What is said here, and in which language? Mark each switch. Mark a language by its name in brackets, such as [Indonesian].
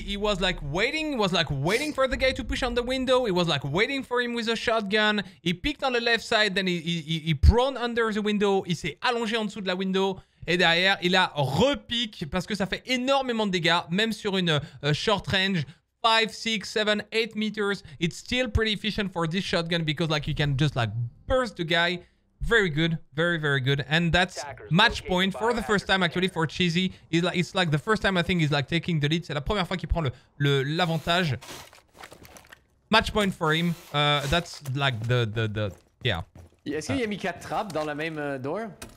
[English] He was like waiting, for the guy to push on the window. He was like waiting for him with a shotgun. He peeked on the left side, then he prone under the window. [French] Il s'est allongé en dessous de la window. Et derrière, il a repique parce que ça fait énormément de dégâts, même sur une short range. [English] 5, 6, 7, 8 meters. It's still pretty efficient for this shotgun because like you can just like burst the guy. Very good. Very, very good. And that's match point for the first time actually for Cheezzy. It's like the first time I think he's like taking the lead. [French] C'est la première fois qu'il prend l'avantage. [English] Match point for him. That's like the yeah. [French] Est-ce qu'il y a mis 4 trappes dans la même door?